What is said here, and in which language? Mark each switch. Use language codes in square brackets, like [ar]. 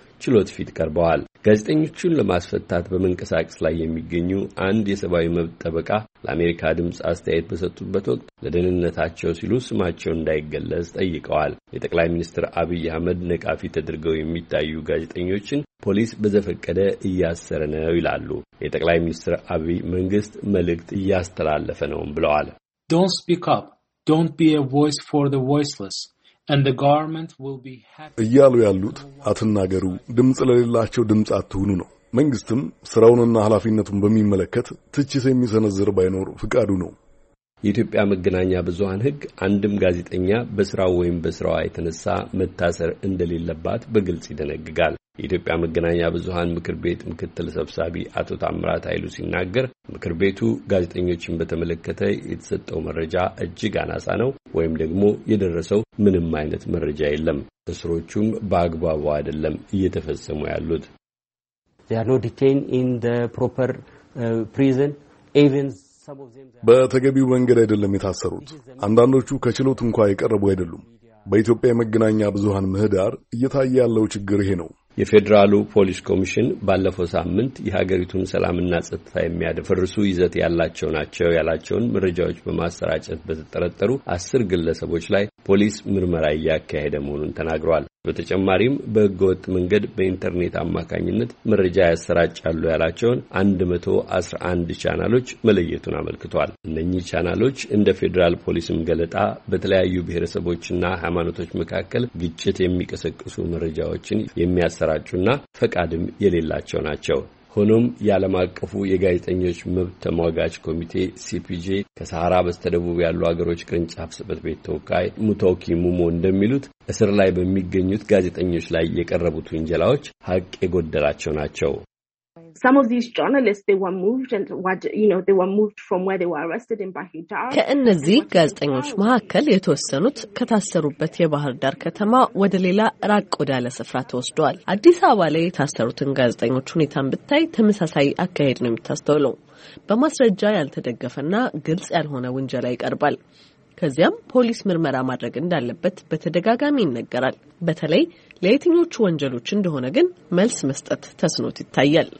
[am] ችሎት ፊት ቀርበዋል። ጋዜጠኞቹን ለማስፈታት በመንቀሳቀስ ላይ የሚገኙ አንድ የሰብአዊ መብት ጠበቃ ለአሜሪካ ድምፅ አስተያየት በሰጡበት ወቅት ለደህንነታቸው ሲሉ ስማቸው እንዳይገለጽ ጠይቀዋል። የጠቅላይ ሚኒስትር አብይ አህመድ ነቃፊ ተደርገው የሚታዩ ጋዜጠኞችን ፖሊስ በዘፈቀደ እያሰረ ነው ይላሉ። የጠቅላይ ሚኒስትር አብይ መንግስት መልእክት እያስተላለፈ ነውም ብለዋል። [en] Don't speak up. Don't be a voice for the voiceless. And the government will be happy. [am] እያሉ ያሉት አትናገሩ፣ ድምጽ ለሌላቸው ድምጽ አትሁኑ ነው። መንግስትም ስራውንና ኃላፊነቱን በሚመለከት ትችት የሚሰነዝር ባይኖር ፍቃዱ ነው። የኢትዮጵያ መገናኛ ብዙሃን ህግ አንድም ጋዜጠኛ በስራው ወይም በስራዋ የተነሳ መታሰር እንደሌለባት በግልጽ ይደነግጋል። የኢትዮጵያ መገናኛ ብዙሃን ምክር ቤት ምክትል ሰብሳቢ አቶ ታምራት ኃይሉ ሲናገር ምክር ቤቱ ጋዜጠኞችን በተመለከተ የተሰጠው መረጃ እጅግ አናሳ ነው ወይም ደግሞ የደረሰው ምንም አይነት መረጃ የለም፣ እስሮቹም በአግባቡ አይደለም እየተፈጸሙ ያሉት። [en] They are not detained in the proper prison even [am] በተገቢው መንገድ አይደለም የታሰሩት። አንዳንዶቹ ከችሎት እንኳን የቀረቡ አይደሉም። በኢትዮጵያ መገናኛ ብዙሃን ምህዳር እየታየ ያለው ችግር ይሄ ነው። የፌደራሉ ፖሊስ ኮሚሽን ባለፈው ሳምንት የሀገሪቱን ሰላምና ጸጥታ የሚያደፈርሱ ይዘት ያላቸው ናቸው ያላቸውን መረጃዎች በማሰራጨት በተጠረጠሩ 10 ግለሰቦች ላይ ፖሊስ ምርመራ እያካሄደ መሆኑን ተናግሯል። በተጨማሪም በህገወጥ መንገድ በኢንተርኔት አማካኝነት መረጃ ያሰራጫሉ ያላቸውን 111 ቻናሎች መለየቱን አመልክቷል። እነኚህ ቻናሎች እንደ ፌደራል ፖሊስም ገለጣ በተለያዩ ብሔረሰቦችና ሃይማኖቶች መካከል ግጭት የሚቀሰቅሱ መረጃዎችን የሚያሰራጩና ፈቃድም የሌላቸው ናቸው። ሆኖም የዓለም አቀፉ የጋዜጠኞች መብት ተሟጋች ኮሚቴ ሲፒጄ ከሰሃራ በስተደቡብ ያሉ አገሮች ቅርንጫፍ ጽህፈት ቤት ተወካይ ሙቶኪ ሙሞ እንደሚሉት እስር ላይ በሚገኙት ጋዜጠኞች ላይ የቀረቡት ውንጀላዎች ሀቅ የጎደላቸው ናቸው። [en] Some of these journalists they were moved and what you know they were moved from where they were arrested in Bahijar. [am] ከእነዚህ ጋዜጠኞች መካከል የተወሰኑት ከታሰሩበት የባህር ዳር ከተማ ወደ ሌላ ራቅ ወዳለ ስፍራ ተወስደዋል። አዲስ አበባ ላይ የታሰሩት ጋዜጠኞች ሁኔታን ብታይ ተመሳሳይ አካሄድ ነው የሚታስተውለው። በማስረጃ ያልተደገፈና ግልጽ ያልሆነ ውንጀላ ይቀርባል። ከዚያም ፖሊስ ምርመራ ማድረግ እንዳለበት በተደጋጋሚ ይነገራል። በተለይ ለየትኞቹ ወንጀሎች እንደሆነ ግን መልስ መስጠት ተስኖት ይታያል።